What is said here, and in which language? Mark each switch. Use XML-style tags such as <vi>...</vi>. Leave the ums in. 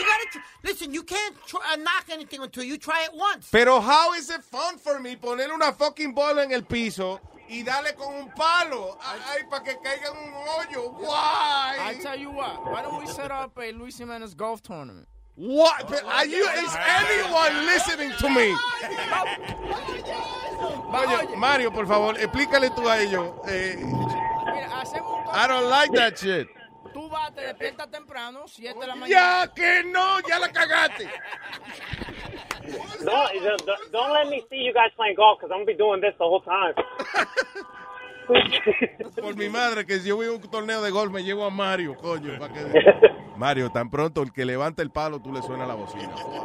<en>You, listen, you can't uh, knock anything until you try it once. Pero how is it fun for me?</en> <es>Poner una fucking bola en el piso y darle con un palo. Ay, ay para que caiga un hoyo.</es> <en>Why? I tell you what. Why don't we set up a Luis Jimenez golf tournament? What? Oh, are you? God. Is anyone listening oh, to yeah, me? Oh,</en> <es>yeah. Mario, Mario, yeah. por favor, explícale tú a ellos. Eh, Mira,</es> <en>I don't like that shit.</en> <es>Tú vas, te despiertas temprano, 7 de la mañana. ¡Ya que no! ¡Ya la cagaste!</es> <en>No, no, don't let me see you guys playing golf, because I'm going to be doing this the whole time.</en> <es>Por mi madre, que si yo voy a un torneo de golf, me llevo a Mario, coño. ¿para que... Mario, tan pronto el que levanta el palo, tú le suena la bocina.</es>